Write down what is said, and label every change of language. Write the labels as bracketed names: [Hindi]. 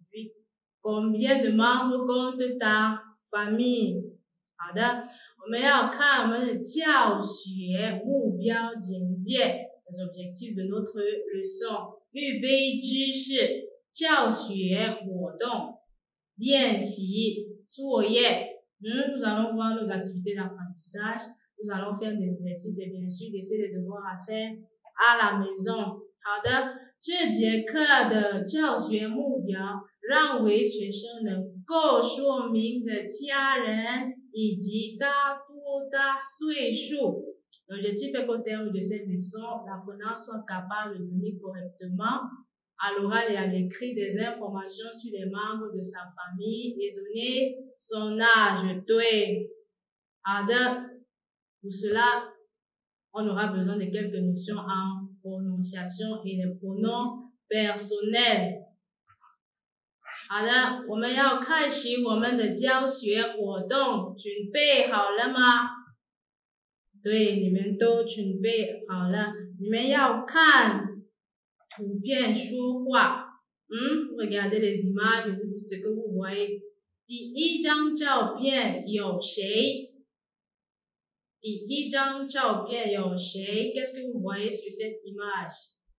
[Chinese] 我们来学习新的课文。我们的课文的题目是“你家有几口人”。 [French] Combien de membres compte ta famille？ [Chinese] 好的，我们要看我们的教学目标简介。 [French] Les objectifs de notre leçon。 [Chinese] 预备知识。教学活动练习作业 [French] Nous allons voir nos activités d'apprentissage. Nous allons faire des exercices et bien sûr laisser les devoirs à faire à la maison. [Chinese] 好的，这节课的教学目标让为学生能够说明的家人以及大多大岁数。 [French] L'objectif est qu'au terme de cette leçon, l'apprenant soit capable de lire correctement à l'oral et à l'écrit des informations sur les membres de sa famille et donner son âge. [Chinese] 对, 好的, [French] Pour cela, on aura besoin de quelques notions en prononciation et les pronoms personnels. [Chinese] 好的，我们要开始我们的教学活动，准备好了吗？对，你们都准备好了，你们要看图片说话。 [French] Regardez les images, vous dites ce que vous voyez. [Chinese] 第一张照片有谁?第一张照片有谁? [French] Qu'est-ce que vous voyez sur cette image?